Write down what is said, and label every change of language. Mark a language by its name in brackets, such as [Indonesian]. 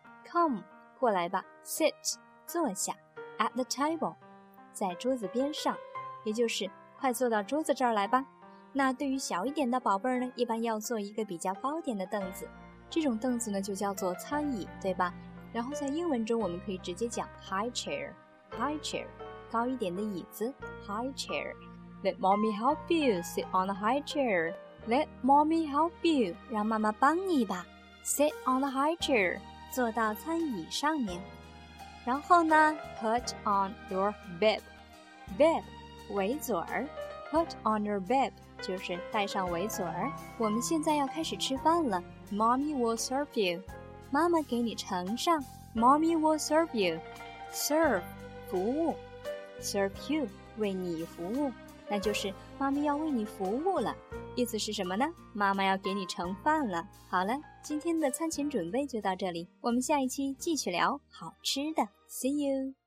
[Chinese] Come 过来吧 ，sit 坐下 ， [English] at the table [Chinese] 在桌子边上，也就是快坐到桌子这儿来吧。那对于小一点的宝贝儿呢，一般要坐一个比较高点的凳子，这种凳子呢就叫做餐椅，对吧？然后在英文中我们可以直接讲 [English] high chair, high chair, [Chinese] 高一点的椅子 [English] high chair. Let mommy help you sit on the high chair. Let mommy help you, [Chinese] 让妈妈帮你吧。 [English] Sit on the high chair, [Chinese] 坐到餐椅上面。然后呢 [English] put on your bib. Bib, [Chinese] 围嘴儿。 [English] Put on your bib, [Chinese] 就是戴上围嘴儿。我们现在要开始吃饭了。 [English] Mommy will serve you. [Chinese] 妈妈给你盛上 [English] Mommy will serve you. Serve [Chinese] 服务。 [English] serve you, [Chinese] 为你服务，那就是妈咪要为你服务了。意思是什么呢？妈妈要给你盛饭了。好了，今天的餐前准备就到这里，我们下一期继续聊好吃的。 [English] See you!